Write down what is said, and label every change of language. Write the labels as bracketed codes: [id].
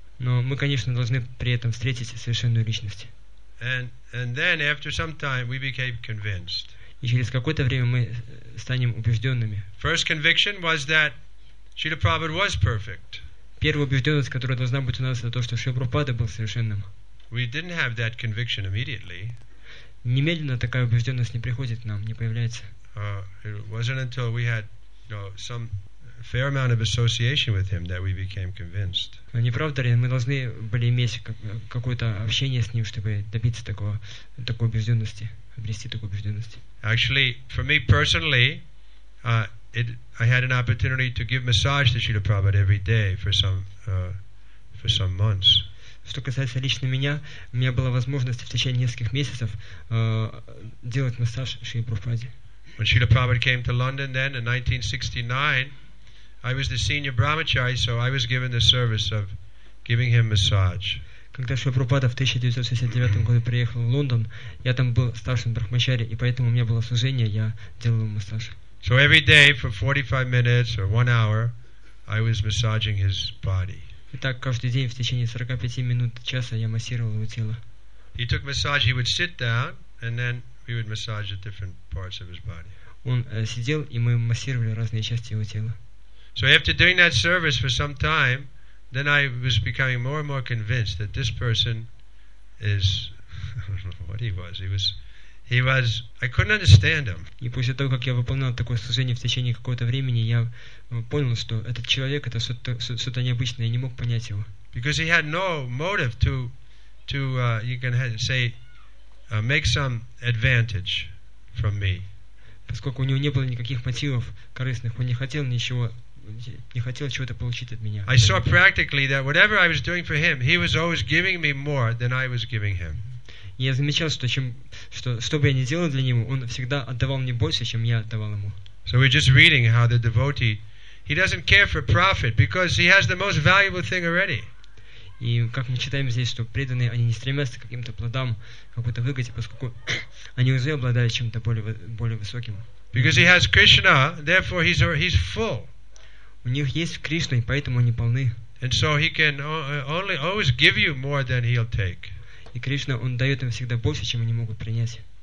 [ru] Но мы, конечно, должны при этом встретить совершенную личность. [en] And then after some time we became convinced. [ru] И через какое-то время мы станем убежденными. [en] First conviction was that Srila Prabhupada was perfect. [ru] Первая убежденность, которая должна быть у нас, это то, что Шрила Прабхупада был совершенным. [en] We didn't have that conviction immediately. [ru] Немедленно такая убежденность не приходит к нам, не появляется. [en] It wasn't until we had, you know, some fair amount of association with him that we became convinced. [ru] Не правда ли, мы должны были иметь какое-то общение с ним, чтобы добиться такой убежденности, обрести такую убежденность. [en] Actually, for me personally, I had an opportunity to give massage to Srila Prabhupada every day for some months. [ru] Что касается лично меня, у меня была возможность в течение нескольких месяцев делать массаж Шриле Прабхупаде. [en] When Srila Prabhupada came to London then in 1969, I was the senior brahmachari, so I was given the service of giving him massage. [ru] Когда Шрила Прабхупада в 1969 году приехал в Лондон, я там был старшим брахмачари, и поэтому у меня было служение, я делал массаж. [en] So every day for 45 minutes or one hour, I was massaging his body. [ru] Итак, каждый день в течение 45 минут, часа я массировал его тело. [en] He took massage. He would sit down, and then we would massage the different parts of his body. [ru] Он сидел, и мы массировали разные части его тела. [en] So after doing that service for some time, then I was becoming more and more convinced that this person is, I don't know what he was, I couldn't understand him. [ru] И после того, как я выполнял такое служение в течение какого-то времени, я понял, что этот человек, это что-то необычное, я не мог понять его. [en] Because he had no motive to make some advantage from me. [ru] Поскольку у него не было никаких мотивов корыстных, он не хотел ничего, не хотел чего-то получить от меня. [en] I saw practically that whatever I was doing for him, he was always giving me more than I was giving him. [ru] Я замечал, что что бы я ни делал для него, он всегда отдавал мне больше, чем я отдавал ему. [en] So we're just reading how the devotee, he doesn't care for profit because he has the most valuable thing already. [ru] И как мы читаем здесь, что преданные, они не стремятся к каким-то плодам, какой-то выгоде, поскольку они уже обладают чем-то более высоким. [en] Because he has Krishna, therefore he's full. [ru] У них есть Кришна, и поэтому они полны. [en] And so he can only always give you more than he'll take. [ru] И Кришна, он дает им всегда больше, чем они могут принять.